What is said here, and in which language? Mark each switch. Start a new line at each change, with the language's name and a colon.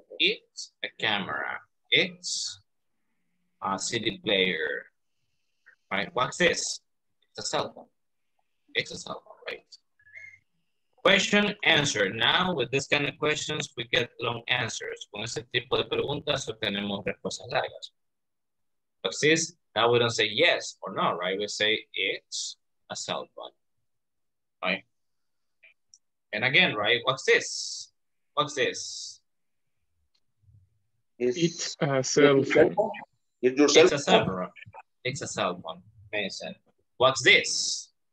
English: It's a camera. It's a CD player. Right? What's this? It's a cell phone. It's a cell phone, right? Question, answer. Now, with this kind of questions, we get long answers.
Spanish: Con ese tipo de preguntas, obtenemos respuestas largas.
English: But this, now we don't say yes or no, right? We say it's a cell phone, right? And again, right, what's this? What's this? It's a cell phone. It's a cell phone. It's a cell phone. Amazing. What's this?